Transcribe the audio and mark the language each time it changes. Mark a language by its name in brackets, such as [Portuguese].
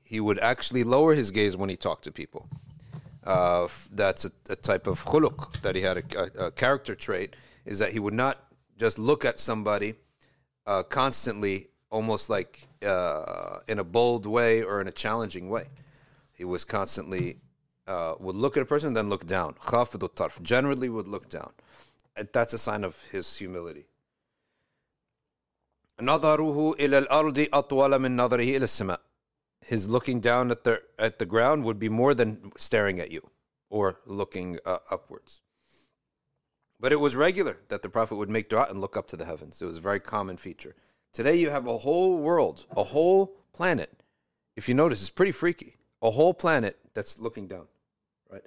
[English] He would actually lower his gaze when he talked to people. That's a type of khuluq that he had, a character trait, is that he would not just look at somebody constantly, almost like in a bold way or in a challenging way. He was constantly... would look at a person and then look down. Khafidu tarf. Generally would look down. That's a sign of his humility. [Arabic] نظره إلى الأرض أطول من نظره إلى السماء. [English] His looking down at the ground would be more than staring at you or looking upwards. But it was regular that the prophet would make dua and look up to the heavens. It was a very common feature. Today you have a whole world, a whole planet. If you notice, it's pretty freaky. A whole planet that's looking down. Right?